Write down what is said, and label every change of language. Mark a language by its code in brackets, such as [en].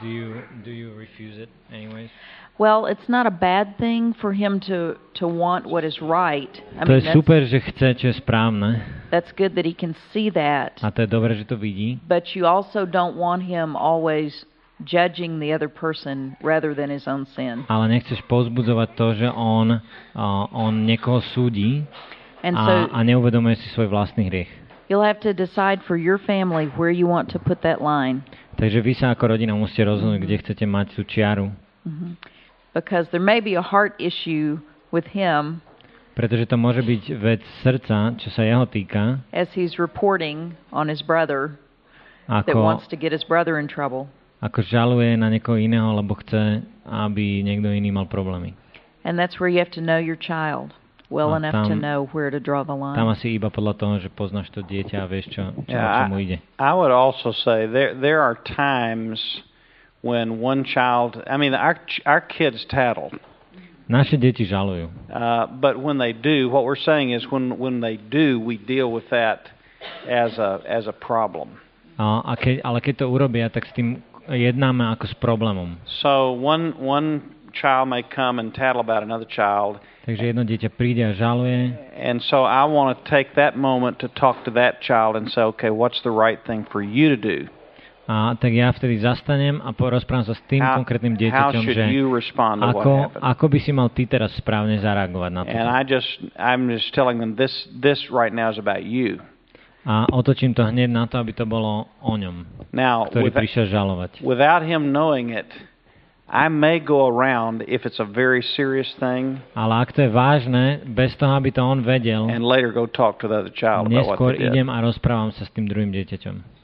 [en] Do you refuse it anyways? Well, it's not a bad thing for him to want what is right. I mean, [sk] super, že chce, čo je správne. [en] That's good that he can see that. [sk] A to je dobré, že to vidí. [en] But you also don't want him always judging the other person rather than his own sin. [sk] Ale nechceš pozbudzovať to, že on niekoho súdi a neuvedomuje si svoj vlastný hriech. [en] You'll have to decide for your family where you want to put that line. [sk] Takže vy sa ako rodina musíte rozhodnúť, kde chcete mať tú čiaru. [en] Because there may be a heart issue with him. [sk] Pretože to môže byť vec srdca, čo sa jeho týka. [en] As he's reporting on his brother that wants to get his brother in trouble. [sk] Ako žaluje na niekoho iného, lebo chce, aby niekto iný mal problémy. [en] And that's where you have to know your child. Well [sk] tam, [en] enough to know where to draw the line. [sk] Tam asi iba podľa toho, že poznáš to dieťa a vieš, čo [en] yeah, [sk] mu ide. [en] I would also say there are times when one child, I mean our kids tattle. [sk] Naše deti žalujú. [en] But when they do, what we're saying is when they do, we deal with that as a problem. [sk] Ale keď to urobia, tak s tým jednáme ako s problémom. [en] So one child may come and tattle about another child. [sk] Takže jedno dieťa príde a žaluje. [en] And so I want to take that moment to talk to that child and say, okay, what's the right thing for you to do? [sk] A tak ja vtedy zastanem a porozprávam sa s tým konkrétnym dieťaťom, že ako by si mal ty teraz správne zareagovať na to. [en] And I'm just telling them this right now is about you. [sk] A otočím to hneď na to, aby to bolo o ňom, [en] now, [sk] ktorý prišiel žalovať. [en] Without him knowing it, I may go around if it's a very serious thing. [sk] Ale ak to je vážne, bez toho, aby to on vedel. [en] And later go talk to the other child about what they did. [sk] Idem a rozprávam sa s tým druhým dieťaťom.